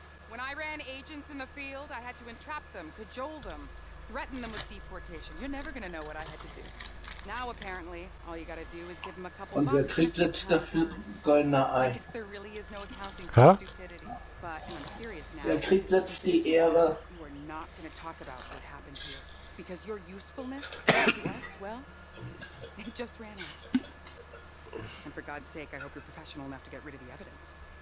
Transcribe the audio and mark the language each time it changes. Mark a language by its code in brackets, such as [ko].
[en] When I ran agents in the field, I had to entrap them, cajole them. Threaten them with deportation. You're never gonna know what I had to do. Now apparently, all you gotta do is give them a couple of bucks. [de] Und wer kriegt jetzt dafür goldene Ei? [en] There really is no accounting for stupidity. But I'm serious now. [de] Wer kriegt jetzt die Ehre? [en] You are not gonna talk about what happened here. Because your usefulness to us, well, it just ran out. And for God's sake, I hope you're professional enough to get rid of the evidence.